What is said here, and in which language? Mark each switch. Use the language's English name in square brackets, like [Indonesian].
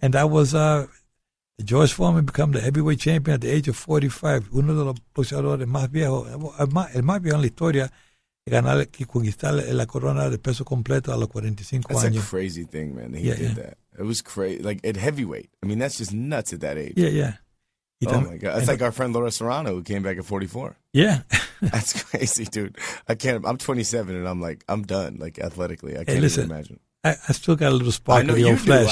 [English] And that was George Foreman become the heavyweight champion at the age of 45. [Spanish] Uno de los boxeadores más viejos, el más viejo en la historia, ganar y conquistar la corona de peso completo a los 45 [English] that's [Spanish] años. [English] That's a crazy thing, man. He did that. It was crazy. Like, at heavyweight. I mean, that's just nuts at that age. Yeah, yeah. Oh my God. That's like our friend Laura Serrano who came back at 44. Yeah. That's crazy, dude. I'm 27 and I'm like, I'm done, like athletically. I can't even imagine. I still got a little spark in your flesh.